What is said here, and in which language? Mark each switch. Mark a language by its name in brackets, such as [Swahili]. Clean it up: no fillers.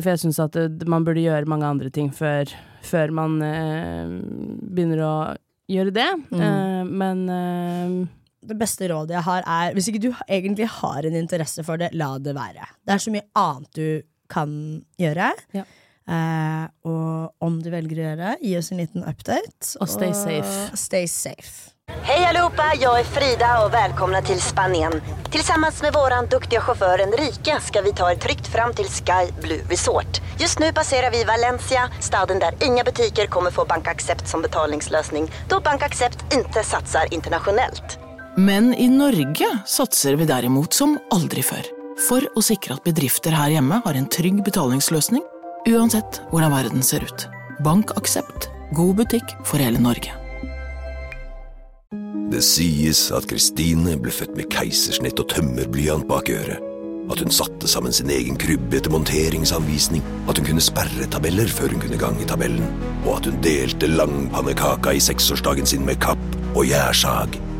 [Norwegian] For jeg synes at man burde gjøre mange andre ting før man begynner å gjøre det. Det beste rådet jeg har er, hvis ikke du egentlig har en interesse for det, la det være. Det er så mye annet du kan gjøre. Ja. Og om du velger å gjøre, gi oss en liten update [English] og stay safe. Stay safe. [Swedish] Hej allihopa, jag är Frida och välkomna till Spanien. Tillsammans med våran duktiga chaufför Enrique ska vi ta er tryggt fram till Sky Blue Resort. Just nu passerar vi Valencia, staden där inga butiker kommer få BankAccept som betalningslösning, då BankAccept inte satsar internationellt. Men i Norge satsar vi däremot som aldrig förr. För att säkra att bedrifter här hemma har en trygg betalningslösning, uansett hur världen ser ut. BankAccept, god butik för hela Norge. [Norwegian] Det sies at Kristine ble født med keisersnitt og tømmerblyant bak øret. At hun satte sammen sin egen krybbe etter monteringsanvisning. At hun kunne sperre tabeller før hun kunne gange tabellen. Og at hun delte langpannekaka I seksårsdagen sin med kapp og gjærsag.